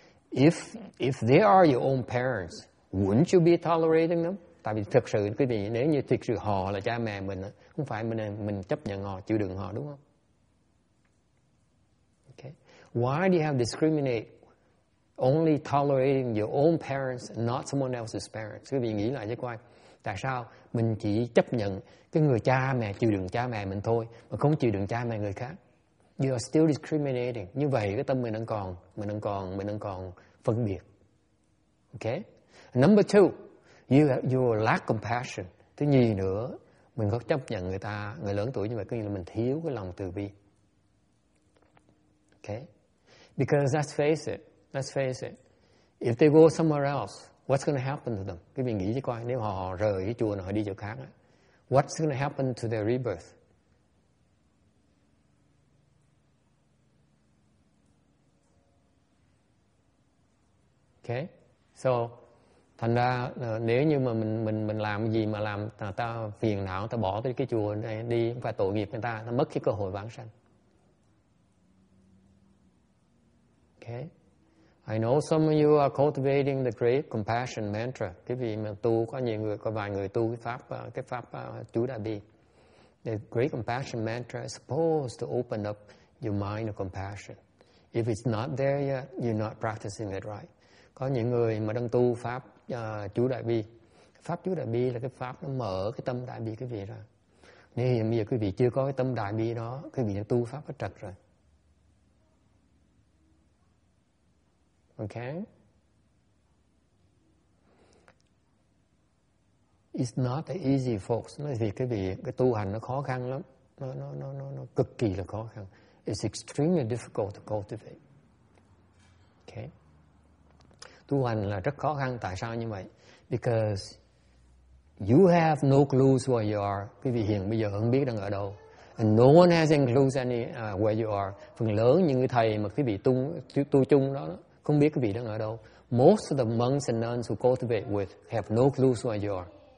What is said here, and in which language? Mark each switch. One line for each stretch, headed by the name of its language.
English: If they are your own parents, wouldn't you be tolerating them?
Vietnamese: Tại vì thực sự, quý vị, nếu như thực sự họ là cha mẹ mình, không phải mình chấp nhận họ, chịu đựng họ, đúng không?
English: Why do you have to discriminate only tolerating your own parents and not someone else's parents?
Vietnamese: Quý vị nghĩ lại chứ coi. Tại sao mình chỉ chấp nhận cái người cha mẹ chịu đựng cha mẹ mình thôi mà không chịu đựng cha mẹ người khác?
English: You are still discriminating.
Vietnamese: Như vậy cái tâm mình đang còn phân biệt. Okay?
English: Number two, you lack compassion.
Vietnamese: Thứ nhì nữa, mình có chấp nhận người ta, người lớn tuổi như vậy, có nghĩa là mình thiếu cái lòng từ bi.
English: Okay? Because let's face it, if they go somewhere else, what's going to happen to them?
Vietnamese: Quý vị nghĩ chứ coi, nếu họ rời cái chùa này, họ đi chỗ khác,
English: what's going to happen to their rebirth?
Vietnamese: Okay, so, thành ra, nếu như mà mình làm gì mà làm ta phiền não, ta bỏ cái chùa này đi, không phải tội nghiệp người ta mất cái cơ hội vãng sanh.
English: Okay. I know some of you are cultivating the great compassion mantra.
Vietnamese: Cái vì mà tu có nhiều người, có vài người tu cái pháp chú đại bi.
English: The Great Compassion Mantra is supposed to open up your mind of compassion. If it's not there yet, you're not practicing it right.
Vietnamese: Có những người mà đang tu pháp chú đại bi, pháp chú đại bi là cái pháp nó mở cái tâm đại bi quý vị ra. Nhưng bây giờ quý vị chưa có cái tâm đại bi đó, quý vị đã tu pháp bất trật rồi.
English: Okay. It's not that easy, folks.
Vietnamese: Nói vì cái việc cái tu hành nó khó khăn lắm, nó cực kỳ là khó khăn.
English: It's extremely difficult to cultivate. Okay.
Vietnamese: Tu hành là rất khó khăn. Tại sao như vậy?
English: Because you have no clues where you are.
Vietnamese: Quý vị hiện bây giờ không biết đang ở đâu.
English: And no one has any clues where you are.
Vietnamese: Phần lớn những người thầy mà quý vị tu chung đó, không biết quý vị đang ở đâu.
English: Most of the monks and nuns who cultivate with have no clues where you are.